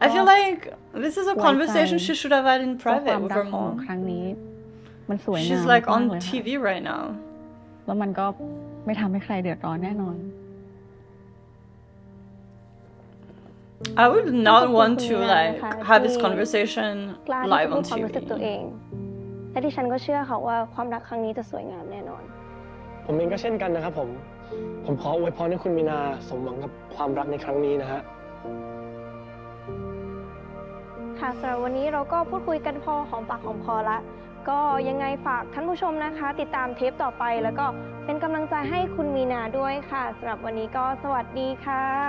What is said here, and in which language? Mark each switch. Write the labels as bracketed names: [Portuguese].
[English] I feel like this is a conversation she should have had in private with her mom [Thai] ครั้งนี้มันสวยงาม [English] She's like on TV right now [Thai] แล้วมันก็ไม่ทำให้ใครเดือดร้อนแน่นอน [English] I would not want to like have this conversation live on TV. [Thai] และดิฉันก็เชื่อเขาว่าความรักครั้งนี้จะสวยงามแน่นอน ผมเองก็เช่นกันนะครับผมขออวยพรให้คุณมีนาสมหวังกับความรักในครั้งนี้นะฮะ ค่ะสำหรับวันนี้เราก็พูดคุยกันพอหอมปากหอมคอละก็ยังไงฝากท่านผู้ชมนะคะติดตามเทปต่อไปแล้วก็เป็นกำลังใจให้คุณมีนาด้วยค่ะสำหรับวันนี้ก็สวัสดีค่ะ